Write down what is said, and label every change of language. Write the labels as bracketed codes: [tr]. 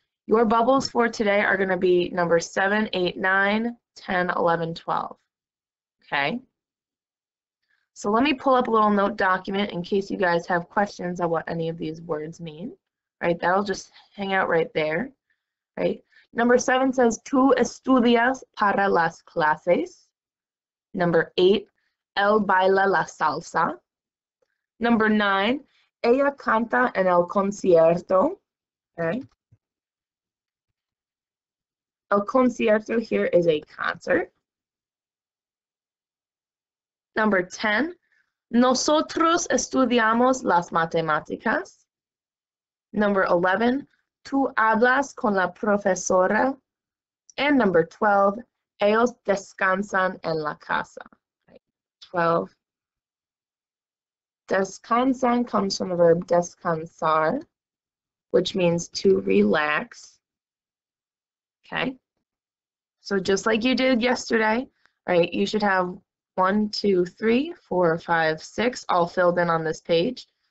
[en] Your bubbles for today are going to be number 7, 8, 9, 10, 11, 12. Okay? So let me pull up a little note document in case you guys have questions on what any of these words mean, right? That'll just hang out right there, right? Number 7 says, [es] tú estudias para las clases. [en] Number 8, [es] él baila la salsa. [en] Number 9, [es] ella canta en el concierto. Okay. [en] El concierto here is a concert. Number 10. [es] Nosotros estudiamos las matemáticas. [en] Number 11. [es] Tú hablas con la profesora. [en] And number 12. [es] Ellos descansan en la casa. [en] Okay. 12. Descansan comes from the verb descansar, which means to relax. Okay. So just like you did yesterday, right, you should have 1, 2, 3, 4, 5, 6 all filled in on this page.